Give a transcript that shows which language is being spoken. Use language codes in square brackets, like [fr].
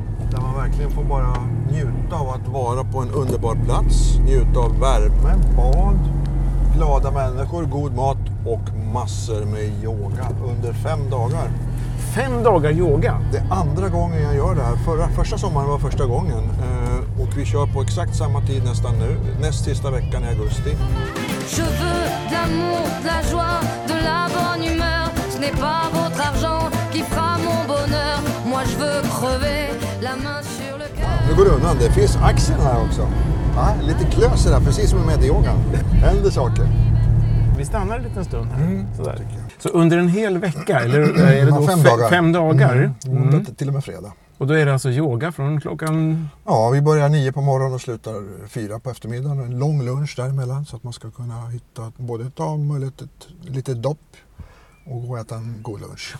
[sv] Där man verkligen får bara njuta av att vara på en underbar plats, njuta av värme, bad, glada människor, god mat och massor med yoga under 5 dagar. 5 dagar yoga. Det är andra gången jag gör det här. Första sommaren var första gången. Och vi kör på exakt samma tid nästan nu. Näst sista veckan i augusti. [fr] Je veux d'amour, de la joie, de la bonne humeur. Ce n'est pas votre argent qui fera mon bonheur. Moi je veux crever la main sur le cœur. [sv] Nu går det undan. Det finns axeln här också. Ah, lite klöser där, precis som med yoga. Händer saker. Vi stannar en liten stund här. Mm. Sådär. Så under en hel vecka, eller är det då 5 dagar? 5 dagar. Mm. Mm. Till och med fredag. Och då är det alltså yoga från klockan... Ja, vi börjar 9 på morgonen och slutar 4 på eftermiddagen. En lång lunch däremellan så att man ska kunna hitta både ta möjlighet ett lite dopp och gå och äta en god lunch.